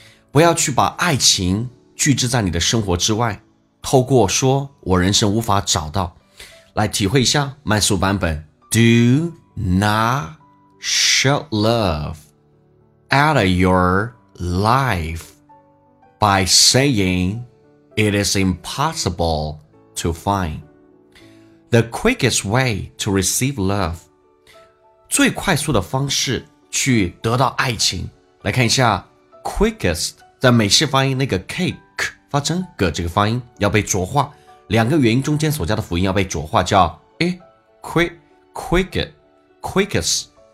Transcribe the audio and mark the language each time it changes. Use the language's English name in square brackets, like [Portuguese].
[Chinese] 不要去把爱情拒之在你的生活之外，透过说我人生无法找到，来体会一下慢速版本。 [English] Do not shut love out of your life by sayingIt is impossible to find. The quickest way to receive love. [Chinese] 最快速的方式去得到爱情。来看一下 quickest, 在美式发音那个 k 发成 g 这个发音要被浊化。两个元音中间所加的辅音要被浊化，叫 e, quickest.